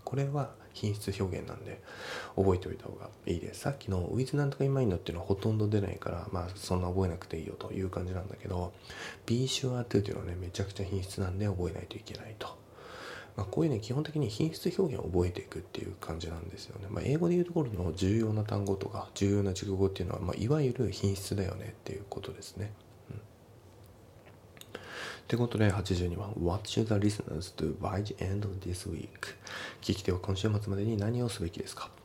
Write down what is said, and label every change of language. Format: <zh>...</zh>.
<ja>これは品質表現なんで覚えておいた方がいいです。さっきの with 何とか in mind っていうのはほとんど出ないから、まあそんな覚えなくていいよという感じなんだけど、 Be sure to っていうのはねめちゃくちゃ品質なんで覚えないといけないと。まあ、こういうね基本的に品質表現を覚えていくっていう感じなんですよね。まあ、英語で言うところの重要な単語とか重要な熟語っていうのは、まあ、いわゆる品質だよねっていうことですね。</ja> <en>ってことで82番、 What should the listeners do by the end of this week?</en> <ja>聞き手は今週末までに何をすべきですか？</ja>